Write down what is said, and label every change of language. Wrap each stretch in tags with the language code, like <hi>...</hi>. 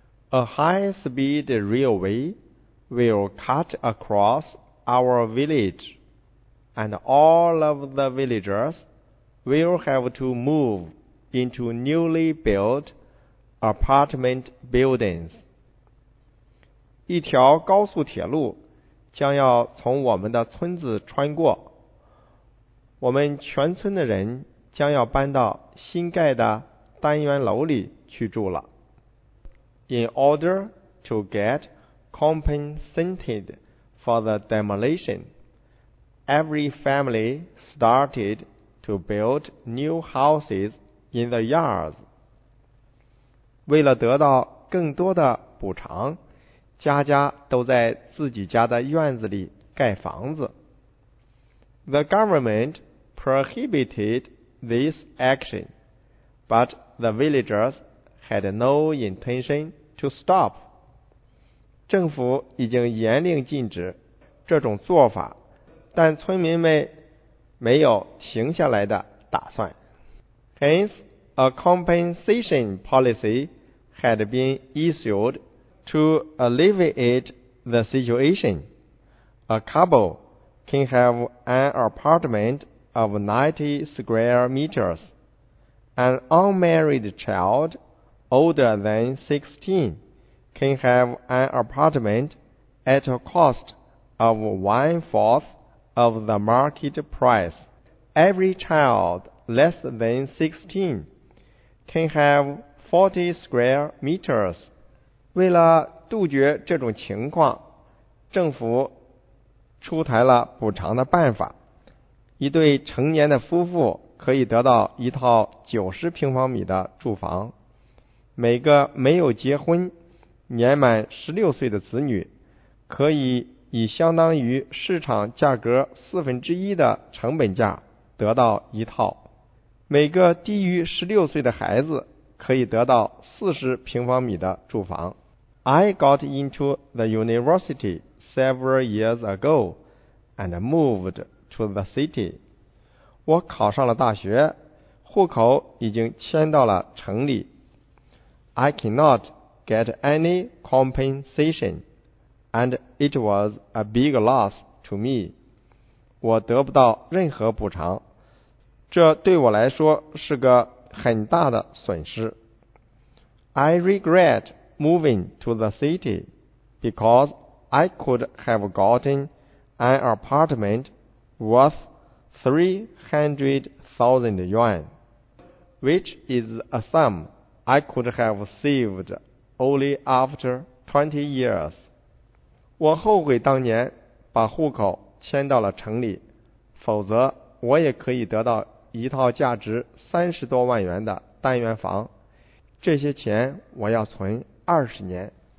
<en>A high-speed railway will cut across our village, and all of the villagers will have to move into newly built apartment buildings.</en> <zh>一条高速铁路将要从我们的村子穿过，我们全村的人将要搬到新盖的单元楼里去住了。</zh> <en>In order to get compensated for the demolition, every family started to build new houses in the yards.</en> <zh>为了得到更多的补偿，家家都在自己家的院子里盖房子。</zh> <en>The government prohibited this action, but the villagers had no intention to stop.</en> <zh>政府已经严令禁止这种做法，但村民们没有停下来的打算。</zh> <en>Hence, a compensation policy had been issued to alleviate the situation. A couple can have an apartment of 90 square meters. An unmarried child older than 16 can have an apartment at a cost of 1/4 of the market price. Every child less than 16 can have 40 square meters.</en> <zh>为了杜绝这种情况，政府出台了补偿的办法。一对成年的夫妇可以得到一套90平方米的住房。每个没有结婚、年满16岁的子女可以以相当于市场价格1/4的成本价得到一套。每个低于16岁的孩子可以得到40平方米的住房。</zh> <en>I got into the university several years ago and moved to the city.</en> <zh>我考上了大学，户口已经迁到了城里。</zh> <en>I cannot get any compensation, and it was a big loss to me.</en> <zh>我得不到任何补偿，这对我来说是个很大的损失。</zh> <en>I regret moving to the city because I could have gotten an apartment worth 300,000 yuan, which is a sum I could have saved only after 20 years.</en> <zh>我后悔当年把户口迁到了城里，否则我也可以得到一套价值30多万元的单元房。这些钱我要存20年。</zh>